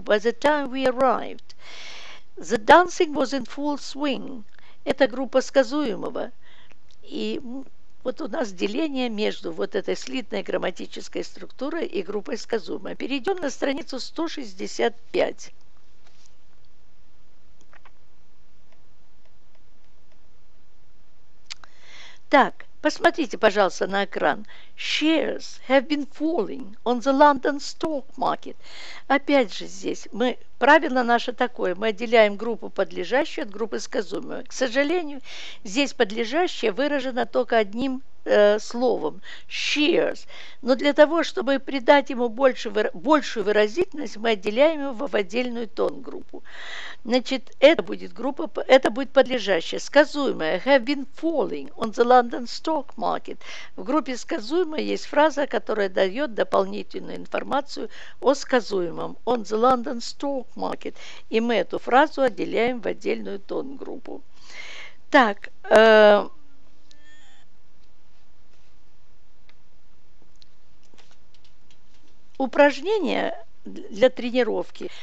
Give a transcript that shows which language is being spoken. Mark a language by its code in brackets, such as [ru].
[en] By the time we arrived, the dancing was in full swing. [ru] Это группа сказуемого. И вот у нас деление между вот этой слитной грамматической структурой и группой сказуемой. Перейдем на страницу 165. Так, посмотрите, пожалуйста, на экран. [en] Shares have been falling on the London stock market. [ru] Опять же здесь мы... Правило наше такое. Мы отделяем группу подлежащую от группы сказуемую. К сожалению, здесь подлежащее выражено только одним словом shares. Но для того, чтобы придать ему большую выразительность, мы отделяем его в отдельную тон-группу. Значит, это будет подлежащее. Сказуемое. [en] Have been falling on the London stock market. [ru] В группе сказуемое есть фраза, которая дает дополнительную информацию о сказуемом. [en] On the London stock market. [ru] И мы эту фразу отделяем в отдельную тон-группу. Так, упражнение для тренировки.